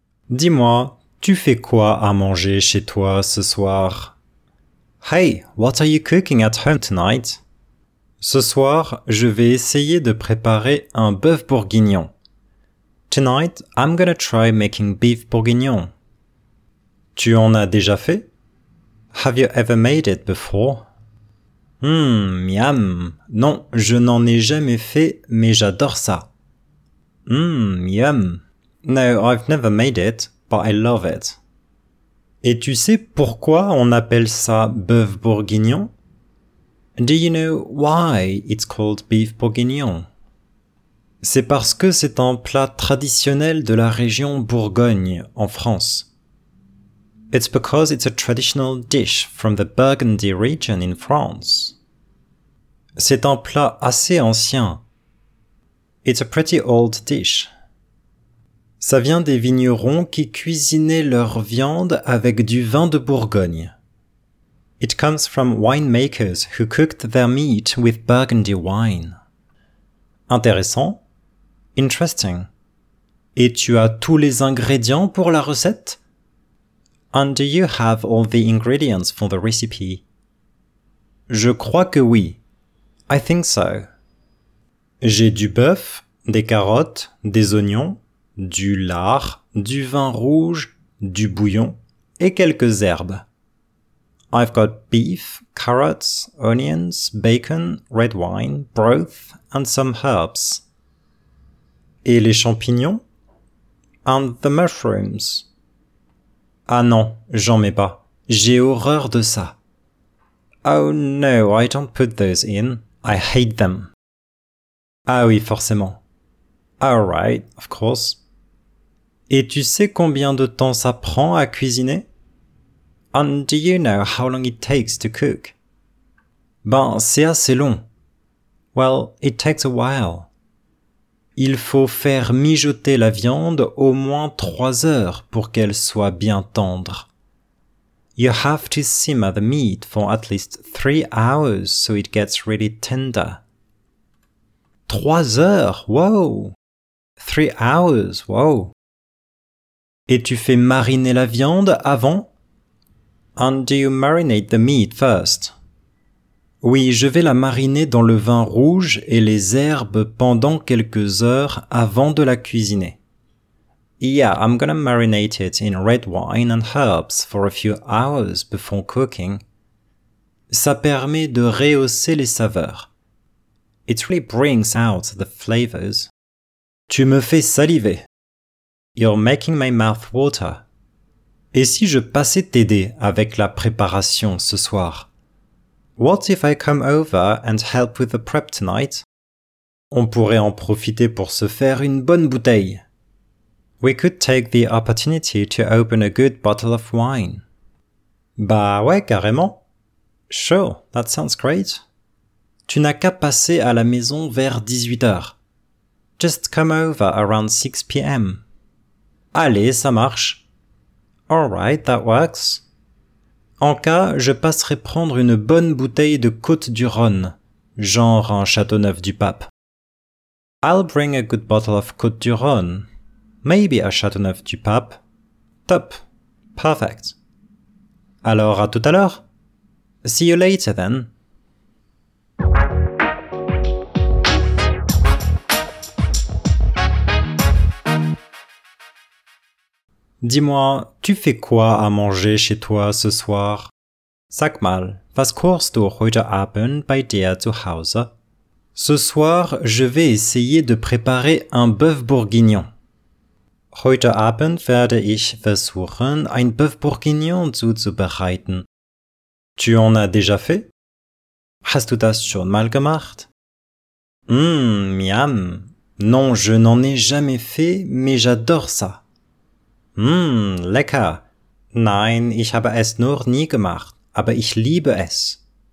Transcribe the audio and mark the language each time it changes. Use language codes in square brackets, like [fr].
[fr] Dis-moi, tu fais quoi à manger chez toi ce soir? [en] Hey, what are you cooking at home tonight? [fr] Ce soir, je vais essayer de préparer un bœuf bourguignon. [en] Tonight, I'm gonna try making beef bourguignon. [fr] Tu en as déjà fait? [en] Have you ever made it before? Miam. [fr] Non, je n'en ai jamais fait, mais j'adore ça. Miam. [en] No, I've never made it, but I love it. [fr] Et tu sais pourquoi on appelle ça bœuf bourguignon? [en] Do you know why it's called beef bourguignon? [fr] C'est parce que c'est un plat traditionnel de la région Bourgogne, en France. [en] It's because it's a traditional dish from the Burgundy region in France. [fr] C'est un plat assez ancien. [en] It's a pretty old dish. [fr] Ça vient des vignerons qui cuisinaient leur viande avec du vin de Bourgogne. [en] It comes from winemakers who cooked their meat with Burgundy wine. [fr] Intéressant. [en] Interesting. [fr] Et tu as tous les ingrédients pour la recette? [en] And do you have all the ingredients for the recipe? [fr] Je crois que oui. [en] I think so. [fr] J'ai du bœuf, des carottes, des oignons, du lard, du vin rouge, du bouillon et quelques herbes. [en] I've got beef, carrots, onions, bacon, red wine, broth and some herbs. [fr] Et les champignons? [en] And the mushrooms. [fr] Ah non, j'en mets pas. J'ai horreur de ça. [en] Oh no, I don't put those in. I hate them. [fr] Ah oui, forcément. [en] All right, of course. [fr] Et tu sais combien de temps ça prend à cuisiner? [en] And do you know how long it takes to cook? [fr] Ben, c'est assez long. [en] Well, it takes a while. [fr] Il faut faire mijoter la viande au moins 3 heures pour qu'elle soit bien tendre. [en] You have to simmer the meat for at least 3 hours so it gets really tender. [fr] 3 heures? Wow! [en] 3 hours, wow. [fr] Et tu fais mariner la viande avant? [en] And do you marinate the meat first? [fr] Oui, je vais la mariner dans le vin rouge et les herbes pendant quelques heures avant de la cuisiner. [en] Yeah, I'm gonna marinate it in red wine and herbs for a few hours before cooking. [fr] Ça permet de rehausser les saveurs. [en] It really brings out the flavors. [fr] Tu me fais saliver. [en] You're making my mouth water. [fr] Et si je passais t'aider avec la préparation ce soir? [en] What if I come over and help with the prep tonight? [fr] On pourrait en profiter pour se faire une bonne bouteille. [en] We could take the opportunity to open a good bottle of wine. [fr] Bah ouais, carrément. [en] Sure, that sounds great. [fr] Tu n'as qu'à passer à la maison vers 18h. [en] Just come over around 6 p.m. [fr] Allez, ça marche. [en] Alright, that works. [fr] En cas, je passerai prendre une bonne bouteille de Côte du Rhône, genre un Châteauneuf du Pape. [en] I'll bring a good bottle of Côte du Rhône. Maybe a Châteauneuf du Pape. [fr] Top. [en] Perfect. [fr] Alors, à tout à l'heure. [en] See you later then. [fr] Dis-moi, tu fais quoi à manger chez toi ce soir? [de] Sag mal, was kochst du heute Abend bei dir zu Hause? [fr] Ce soir, je vais essayer de préparer un bœuf bourguignon. [de] Heute Abend werde ich versuchen, ein bœuf bourguignon zuzubereiten. [fr] Tu en as déjà fait? [de] Hast du das schon mal gemacht? Miam. [fr] Non, je n'en ai jamais fait, mais j'adore ça. [de] Lecker. Nein, ich habe es nur nie gemacht, aber ich liebe es.